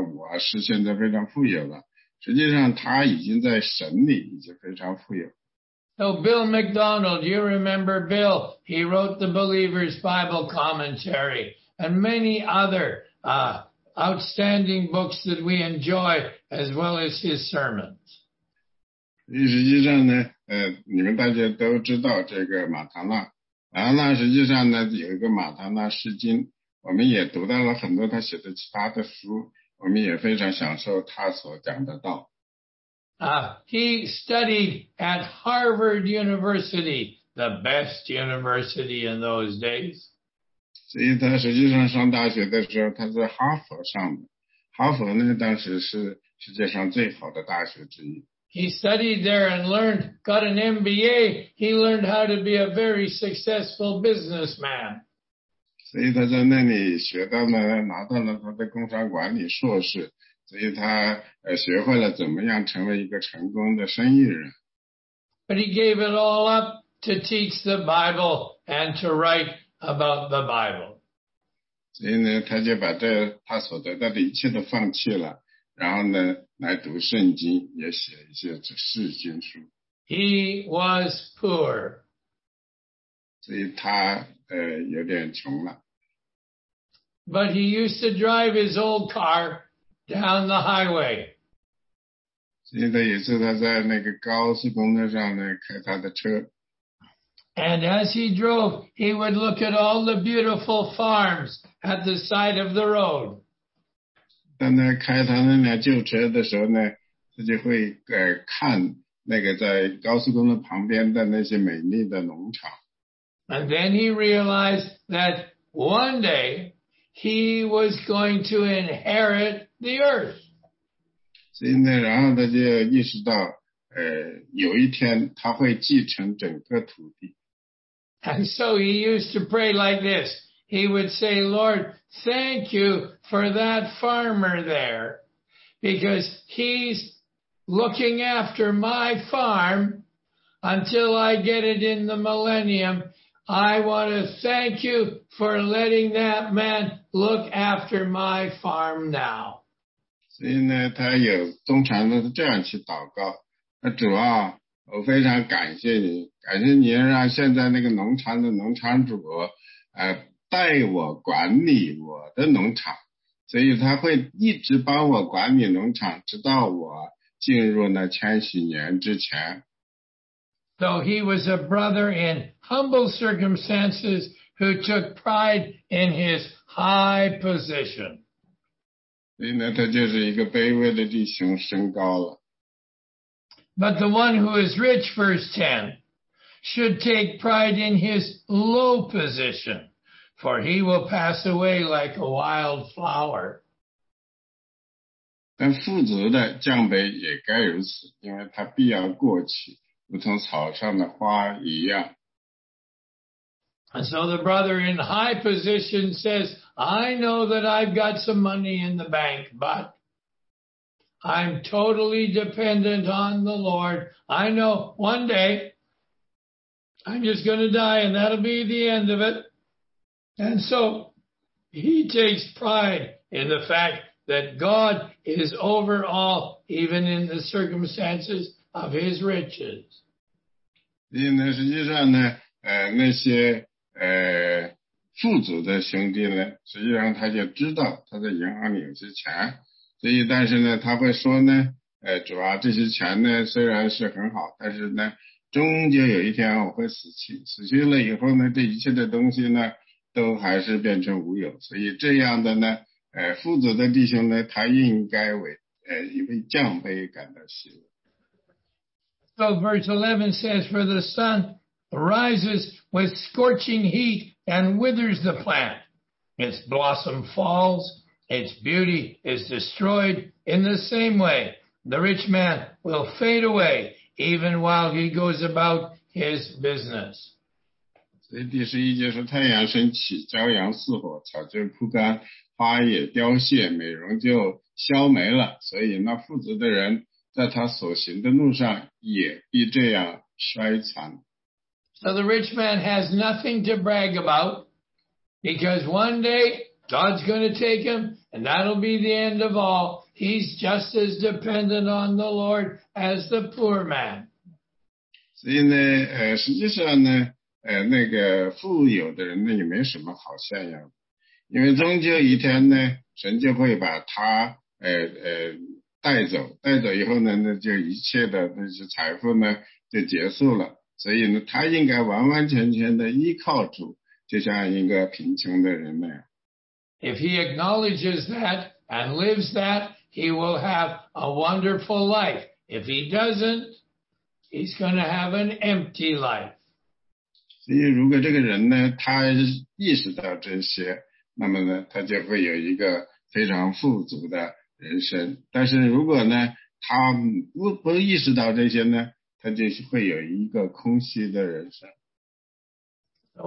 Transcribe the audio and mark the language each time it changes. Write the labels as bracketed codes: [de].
[zh] 那这就是一个非常奇怪的事，就是一个卑微的兄弟呢，他身高，他敢得到了钱，他就说我应该非常喜乐，因为我是现在非常富有了。 [en] So Bill McDonald, you remember Bill, he wrote the Believer's Bible Commentary and many other outstanding books that we enjoy, as well as his sermons. [zh] 实际上呢，你们大家都知道这个马塔纳，马塔纳实际上呢有一个马塔纳诗经，我们也读到了很多他写的其他的书，我们也非常享受他所讲的道。 [en] He studied at Harvard University, the best university in those days. [zh] 所以他实际上上大学的时候，他在哈佛上的。哈佛呢，当时是世界上最好的大学之一。 [en] He studied there and learned, got an MBA. He learned how to be a very successful businessman. [zh] 所以他在那里学到了，拿到了他的工商管理硕士。所以他学会了怎么样成为一个成功的生意人。 [en] But he gave it all up to teach the Bible and to write about the Bible. [zh] 所以呢，他就把这他所得到的一切都放弃了，然后呢，来读圣经，也写一些释经书。 [en] He was poor. [zh] 所以他有点穷了。 [en] But he used to drive his old car. Down the highway. [zh] 现在也是他在那个高速公路上呢开他的车。 [en] And as he drove, he would look at all the beautiful farms at the side of the road. [zh] 当他开他那辆旧车的时候呢，他就会看那个在高速公路旁边的那些美丽的农场。 [en] And then he realized that one day. He was going to inherit the earth. [zh] 所以呢，然后他就意识到，有一天他会继承整个土地。 [en] And so he used to pray like this. He would say, Lord, thank you for that farmer there, because he's looking after my farm until I get it in the millennium. I want to thank you for letting that man look after my farm now. [zh] 所以呢，他有通常都是这样去祷告。那主啊，我非常感谢你，感谢你让现在那个农场的农场主，带我管理我的农场。所以他会一直帮我管理农场，直到我进入那千禧年之前。 [en] So he was a brother in humble circumstances who took pride in his high position. [zh] 所以呢，他就是一个卑微的弟兄，升高了。 [en] But the one who is rich, verse 10, should take pride in his low position, for he will pass away like a wild flower. [zh] 但富足的降卑也该如此，因为他必要过去。如同草上的花一样。 [en] And so the brother in high position says, I know that I've got some money in the bank, but I'm totally dependent on the Lord. I know one day I'm just going to die and that'll be the end of it. And so he takes pride in the fact that God is over all, even in the circumstances of his riches. [zh] 所以呢，实际上呢，那些富足的兄弟呢，实际上他就知道他在银行里有些钱，所以但是呢，他会说呢，主啊，这些钱呢虽然是很好，但是呢，终究有一天我会死去，死去了以后呢，这一切的东西呢，都还是变成无有。所以这样的呢，富足的弟兄呢，他应该为一位降卑感到喜乐。 [en] So verse 11 says, For the sun rises with scorching heat and withers the plant. Its blossom falls, its beauty is destroyed. In the same way, the rich man will fade away even while he goes about his business. [zh] 所以第十一节是太阳升起，骄阳似火，草就枯干，花也凋谢，美容就消没了。所以那富足的人在他所行的路上也必这样衰残。 [en] So the rich man has nothing to brag about, because one day God's going to take him, and that'll be the end of all. He's just as dependent on the Lord as the poor man. [zh] 所以呢，实际上呢，那个富有的人呢，也没什么好炫耀，因为终究一天呢，神就会把他，带走，带走以后呢，那就一切的那些财富呢就结束了。所以呢，他应该完完全全的依靠主，就像一个贫穷的人那样。 [en] If he acknowledges that and lives that, he will have a wonderful life. If he doesn't, he's going to have an empty life. [zh] 所以如果这个人呢，他意识到真实，那么呢，他就会有一个非常富足的人生。但是如果呢，他不意识到这些呢，他就会有一个空虚的人生。So